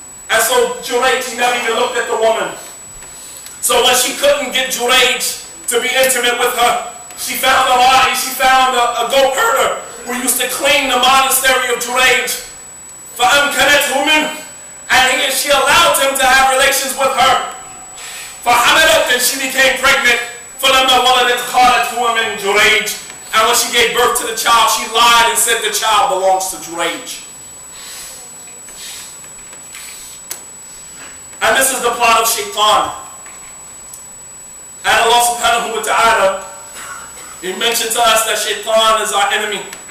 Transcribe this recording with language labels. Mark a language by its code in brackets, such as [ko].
[en] And so Juraij, he never even looked at the woman. So when she couldn't get Juraij to be intimate with her, she found a body, she found a goat herder who used to clean the monastery of Juraij. [ar] فَأَمْكَنَتْهُ مِنْهُ. [en] And she allowed him to have relations with her. [ar] فَحَمَلَتْ. [en] And she became pregnant. [ar] فَلَمَّا وَلَدَتْ قَالَتْ هُوَ مِنْ Juraij. [en] And when she gave birth to the child, she lied and said the child belongs to Juraij. And this is the plot of Shaitan. And Allah subhanahu wa ta'ala, He mentioned to us that Shaitan is our enemy.